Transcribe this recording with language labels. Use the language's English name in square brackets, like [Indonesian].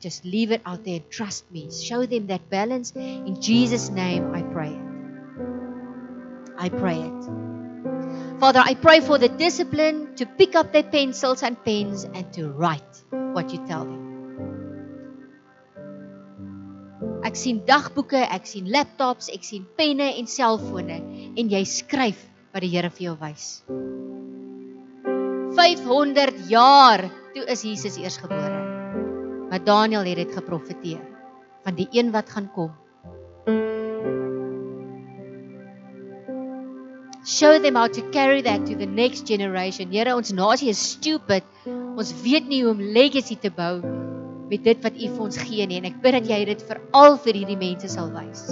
[English] Just leave it out there. Trust Me. Show them that balance. In Jesus' name, I pray it. I pray it. Father, I pray for the discipline to pick up their pencils and pens and to write what You tell them. [Afrikaans] Ek sien dagboeke, ek sien laptops, ek sien penne en selfone en jy skryf wat die Here vir jou wys. 500 jaar toe is Jesus eers gebore. Maar Daniël het dit geprofeteer van die een wat gaan kom. [English] Show them how to carry that to the next generation. [Afrikaans] Here, ons nasie is stupid. Ons weet nie hoe om legacy te bou met dit wat U vir ons gee nie. En ek bid dat Jy dit vir al vir hierdie mense sal wys.